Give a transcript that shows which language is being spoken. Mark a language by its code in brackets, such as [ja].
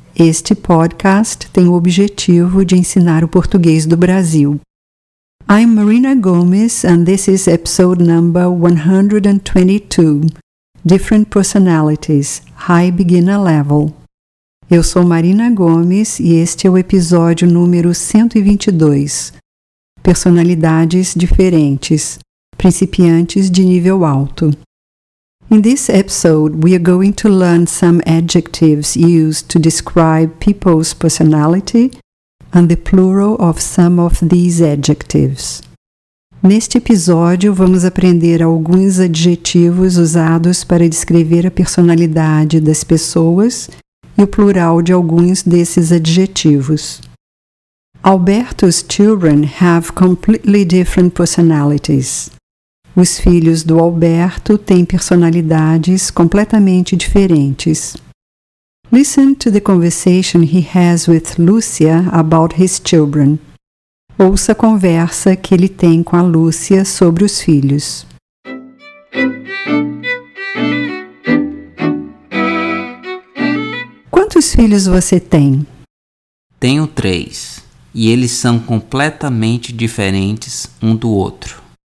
[pt] Este podcast tem o objetivo de ensinar o português do Brasil. [en] I'm Marina Gomes, and this is episode number 122, Different Personalities, High Beginner Level. [pt] Eu sou Marina Gomes e este é o episódio número 122, Personalidades Diferentes, Principiantes de Nível Alto. [en] In this episode, we are going to learn some adjectives used to describe people's personality and the plural of some of these adjectives. [pt] Neste episódio, vamos aprender alguns adjetivos usados para descrever a personalidade das pessoas e o plural de alguns desses adjetivos. [en] Alberto's children have completely different personalities. [pt] Os filhos do Alberto têm personalidades completamente diferentes. [en] Listen to the conversation he has with Lúcia about his children. [pt] Ouça a conversa que ele tem com a Lúcia sobre os filhos. Quantos filhos você tem? Tenho três, e eles são completamente diferentes um do outro.